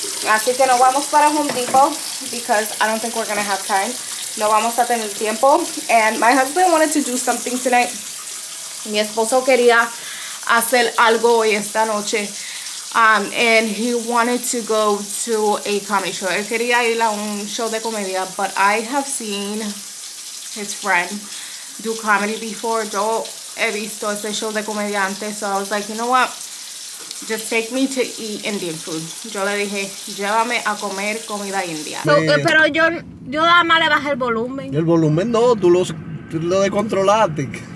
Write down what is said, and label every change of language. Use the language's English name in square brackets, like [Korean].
[Spanish] Así que no vamos para Home Depot [English] because I don't think we're going to have time. [Spanish] No vamos a tener tiempo. [English] And my husband wanted to do something tonight. [Spanish] Mi esposo quería hacer algo hoy esta noche. [English] And he wanted to go to a comedy show. [Spanish] Él quería ir a un show de comedia. [English] But I have seen his friend do comedy before. [Spanish] Yo he visto ese show de comedia antes. [English] So I was like, you know what? Just take me to eat Indian food. [Spanish] Yo le dije, llévame a comer comida india. So, pero yo nada más le bajé el volumen. El volumen no, tú lo descontrolaste.